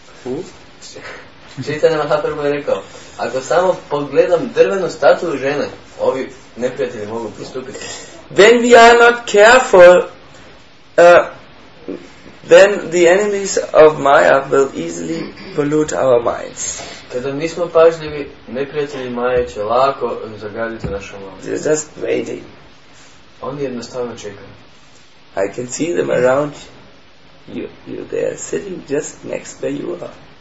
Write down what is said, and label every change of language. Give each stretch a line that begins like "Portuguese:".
English: Who?
Croatian: Chaitanya Mahaprabhu je rekao, ako samo pogledam drvenu statuju žene, ovi neprijatelji mogu pristupiti.
English: When we are not careful, then the enemies of Maya will easily pollute our minds.
Croatian: Kada nismo pažljivi, neprijatelji Maje će lako zagaditi našu mozak.
English: They're just waiting.
Croatian: Oni jednostavno čekaju.
English: I can see them around you. They are sitting just next where you are.